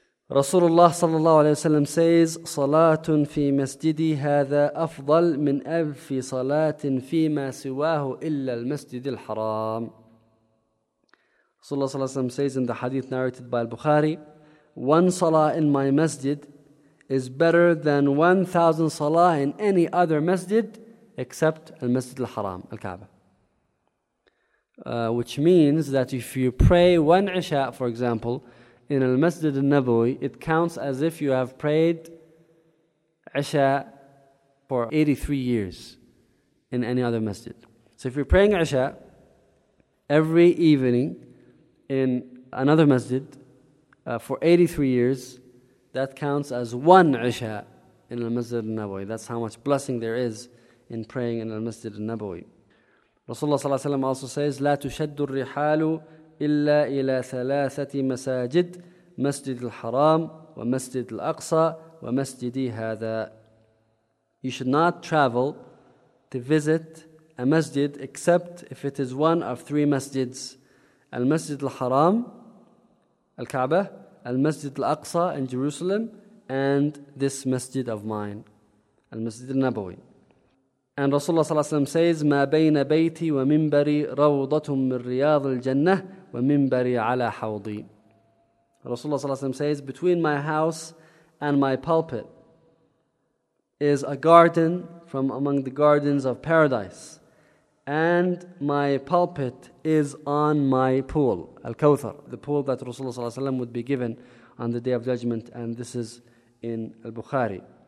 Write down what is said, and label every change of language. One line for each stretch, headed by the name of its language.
English: Rasulullah sallallahu alayhi wa sallam says,
Arabic: صَلَاةٌ فِي مَسْجِدِي هَذَا أَفْضَلْ مِنْ أَفِّ صَلَاةٍ فِي مَا سِوَاهُ إِلَّا الْمَسْجِدِ الْحَرَامِ.
English: Rasulullah sallallahu alayhi wa sallam says in the hadith narrated by Al-Bukhari, one salah in my masjid is better than 1,000 salah in any other masjid except Al-Masjid Al-Haram, Al-Kaaba. Which means that if you pray one Isha, for example, in Al-Masjid Al-Nabawi, it counts as if you have prayed Isha for 83 years in any other masjid. So if you're praying Isha every evening in another masjid for 83 years, that counts as one Isha in Al-Masjid Al-Nabawi. That's how much blessing there is in praying in Al-Masjid Al-Nabawi. Rasulullah sallallahu alayhi wa sallam also says,
Arabic: لا تشد الرحال إلا إلى ثلاثة مساجد, مسجد الحرام ومسجد الأقصى ومسجدي هذا.
English: You should not travel to visit a masjid except if it is one of three masjids: Al-Masjid Al-Haram, Al-Kaaba, Al-Masjid Al-Aqsa in Jerusalem, and this masjid of mine, Al-Masjid Al-Nabawi. And Rasulullah sallallahu alayhi wa sallam says,
Arabic: مَا بَيْنَ بَيْتِي وَمِنْبَرِي رَوْضَةٌ مِنْ رِيَاضِ الْجَنَّةِ وَمِنْبَرِي عَلَى حَوْضِي.
English: Rasulullah sallallahu alayhi wa sallam says, between my house and my pulpit is a garden from among the gardens of paradise, and my pulpit is on my pool, Al-Kawthar, the pool that Rasulullah sallallahu alayhi wa sallam would be given on the Day of Judgment, and this is in Al-Bukhari.